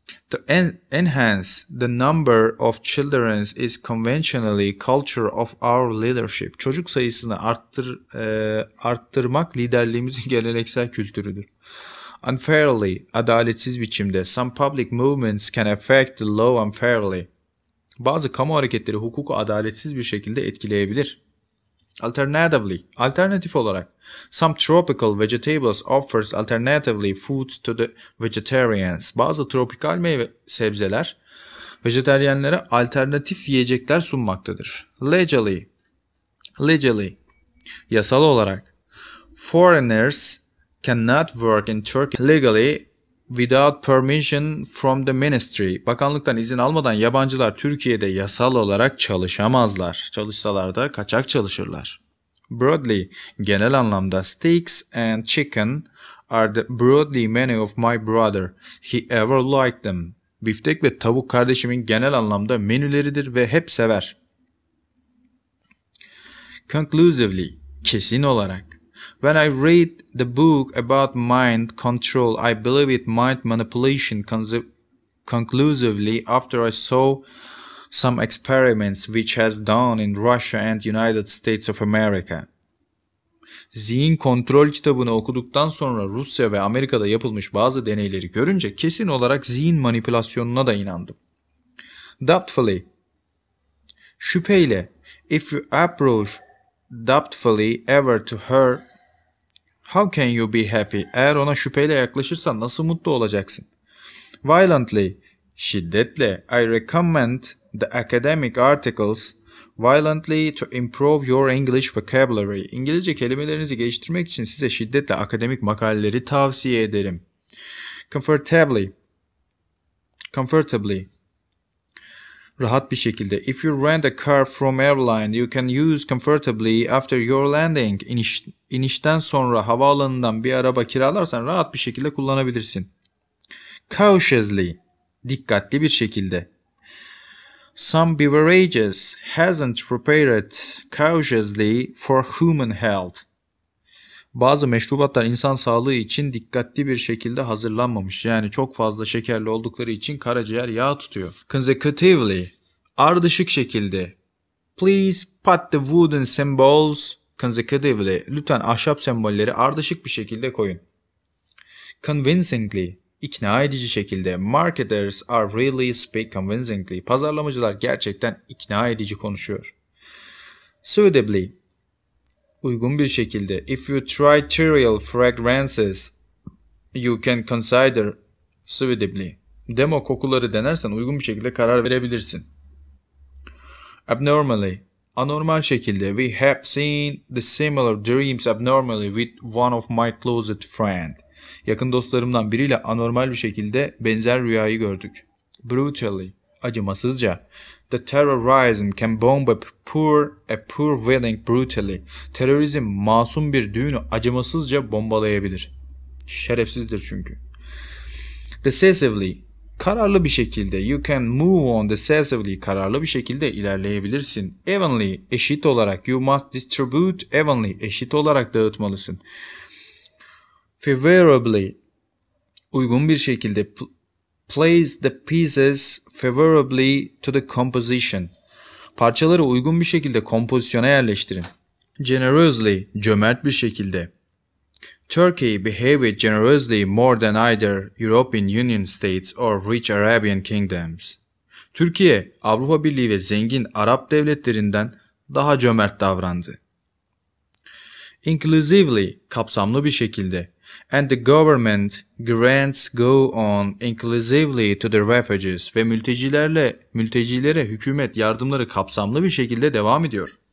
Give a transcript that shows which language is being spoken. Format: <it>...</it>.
<en>To enhance the number of children is conventionally culture of our leadership.</en> <tr>Çocuk sayısını arttırmak liderliğimizin geleneksel kültürüdür. Unfairly, adaletsiz biçimde.</tr> <en>Some public movements can affect the law unfairly.</en> <tr>Bazı kamu hareketleri hukuku adaletsiz bir şekilde etkileyebilir.</tr> <en>Alternatively,</en> <tr>alternatif olarak.</tr> <en>Some tropical vegetables offers alternatively foods to the vegetarians.</en> <tr>Bazı tropikal meyve sebzeler vejeteryenlere alternatif yiyecekler sunmaktadır.</tr> <en>Legally, legally,</en> <tr>yasal olarak.</tr> <en>Foreigners cannot work in Turkey legally without permission from the ministry.</en> <tr>Bakanlıktan izin almadan yabancılar Türkiye'de yasal olarak çalışamazlar. Çalışsalar da kaçak çalışırlar.</tr> <en>Broadly,</en> <tr>genel anlamda,</tr> <en>steaks and chicken are the broadly menu of my brother. He ever liked them.</en> <tr>Biftek ve tavuk kardeşimin genel anlamda menüleridir ve hep sever.</tr> <en>Conclusively,</en> <tr>kesin olarak.</tr> <en>When I read the book about mind control, I believe it mind manipulation conclusively after I saw some experiments which has done in Russia and United States of America.</en> <tr>Zihin kontrol kitabını okuduktan sonra Rusya ve Amerika'da yapılmış bazı deneyleri görünce kesin olarak zihin manipülasyonuna da inandım.</tr> <en>Doubtfully,</en> <tr>şüpheyle,</tr> <en>if you approach doubtfully ever to her, how can you be happy?</en> <tr>Eğer ona şüpheyle yaklaşırsan nasıl mutlu olacaksın?</tr> <en>Violently, şiddetle, I recommend the academic articles violently to improve your English vocabulary.</en> <tr>İngilizce kelimelerinizi geliştirmek için size şiddetle akademik makaleleri tavsiye ederim.</tr> <en>Comfortably,</en> <tr>comfortably, rahat bir şekilde.</tr> <en>If you rent a car from airline, you can use comfortably after your landing.</en> <tr>İnişten sonra havaalanından bir araba kiralarsan rahat bir şekilde kullanabilirsin.</tr> <en>Cautiously,</en> <tr>dikkatli bir şekilde.</tr> <en>Some beverages hasn't prepared cautiously for human health.</en> <tr>Bazı meşrubatlar insan sağlığı için dikkatli bir şekilde hazırlanmamış. Yani çok fazla şekerli oldukları için karaciğer yağ tutuyor.</tr> <en>Consecutively,</en> <tr>ardışık şekilde.</tr> <en>Please put the wooden symbols consecutively.</en> <tr>Lütfen ahşap sembolleri ardışık bir şekilde koyun. Convincingly, ikna edici şekilde.</tr> <en>Marketers are really speak convincingly.</en> <tr>Pazarlamacılar gerçekten ikna edici konuşuyor. Suitably, uygun bir şekilde.</tr> <en>If you try trivial fragrances, you can consider suitably.</en> <tr>Demo kokuları denersen uygun bir şekilde karar verebilirsin. Abnormally, anormal şekilde.</tr> <en>We have seen the similar dreams abnormally with one of my closest friends.</en> <tr>Yakın dostlarımdan biriyle anormal bir şekilde benzer rüyayı gördük.</tr> <en>Brutally, acımasızca. The terrorism can bomb a poor wedding brutally.</en> <tr>Terörizm masum bir düğünü acımasızca bombalayabilir. Şerefsizdir çünkü. Decisively, kararlı bir şekilde.</tr> <en>You can move on decisively,</en> <tr>kararlı bir şekilde ilerleyebilirsin.</tr> <en>Evenly,</en> <tr>eşit olarak.</tr> <en>You must distribute evenly,</en> <tr>eşit olarak dağıtmalısın.</tr> <en>Favorably,</en> <tr>uygun bir şekilde.</tr> <en>Place the pieces favorably to the composition.</en> <tr>Parçaları uygun bir şekilde kompozisyona yerleştirin. Generously, cömert bir şekilde.</tr> <en>Turkey behaved generously more than either European Union states or rich Arabian kingdoms.</en> <tr>Türkiye, Avrupa Birliği ve zengin Arap devletlerinden daha cömert davrandı. Inclusively, kapsamlı bir şekilde.</tr> <en>And the government grants go on inclusively to the refugees.</en> <tr>Ve mültecilere hükümet yardımları kapsamlı bir şekilde devam ediyor.</tr>